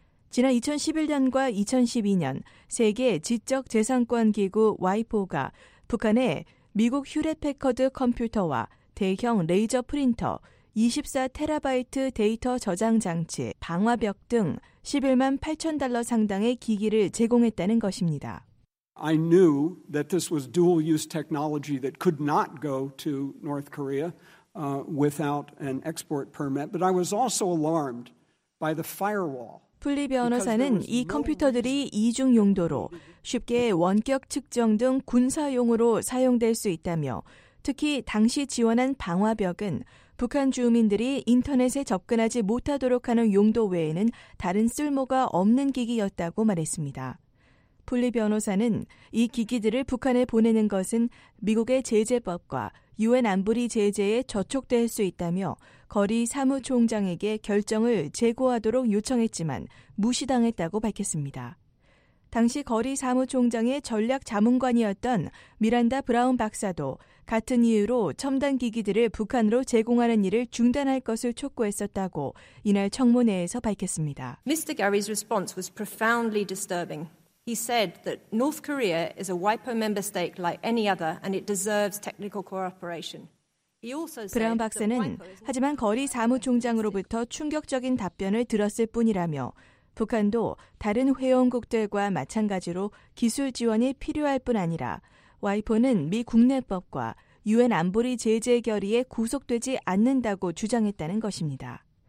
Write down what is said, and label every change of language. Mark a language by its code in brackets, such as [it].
[ko] 지난 2011년과 2012년 세계 지적재산권 기구 와이포가 북한에 미국 휴렛패커드 컴퓨터와 대형 레이저 프린터, 24테라바이트 데이터 저장 장치, 방화벽 등 11만 8천 달러 상당의 기기를 제공했다는 것입니다. [en] I knew that this was dual-use technology that could not go to North Korea. without an export permit. But I was also alarmed by the firewall. [ko] 플리 변호사는 이 컴퓨터들이 이중 용도로 쉽게 원격 측정 등 군사용으로 사용될 수 있다며 특히 당시 지원한 방화벽은 북한 주민들이 인터넷에 접근하지 못하도록 하는 용도 외에는 다른 쓸모가 없는 기기였다고 말했습니다. 플리 변호사는 이 기기들을 북한에 보내는 것은 미국의 제재법과 유엔 안보리 제재에 저촉될 수 있다며 거리 사무총장에게 결정을 재고하도록 요청했지만 무시당했다고 밝혔습니다. 당시 거리 사무총장의 전략 자문관이었던 미란다 브라운 박사도 같은 이유로 첨단 기기들을 북한으로 제공하는 일을 중단할 것을 촉구했었다고 이날 청문회에서 밝혔습니다. [en] Mr. Gary's response was profoundly disturbing. He said that North Korea is a WIPO member state like any other and it deserves technical cooperation. [ko] 브라운 박사는 하지만 거리 사무총장으로부터 충격적인 답변을 들었을 뿐이라며 북한도 다른 회원국들과 마찬가지로 기술 지원이 필요할 뿐 아니라 와이포는 미 국내법과 유엔 안보리 제재 결의에 구속되지 않는다고 주장했다는 것입니다.